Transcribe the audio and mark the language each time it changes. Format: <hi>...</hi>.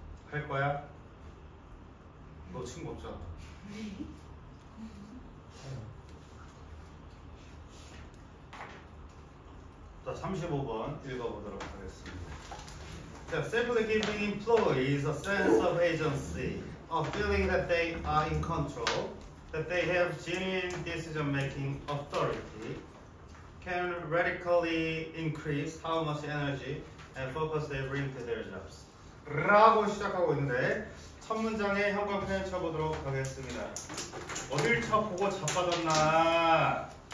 <ko>할 거야? 너 친구 없잖아. 자, 35번 읽어보도록 하겠습니다.</ko> <en>So, simply giving employees a sense of agency, a feeling that they are in control, that they have genuine decision-making authority, can radically increase how much energy and focus they bring to their jobs.</en> <ko>라고 시작하고 있는데 첫 문장의 형광펜을 쳐보도록 하겠습니다. 어딜 쳐보고 자빠졌나?</ko>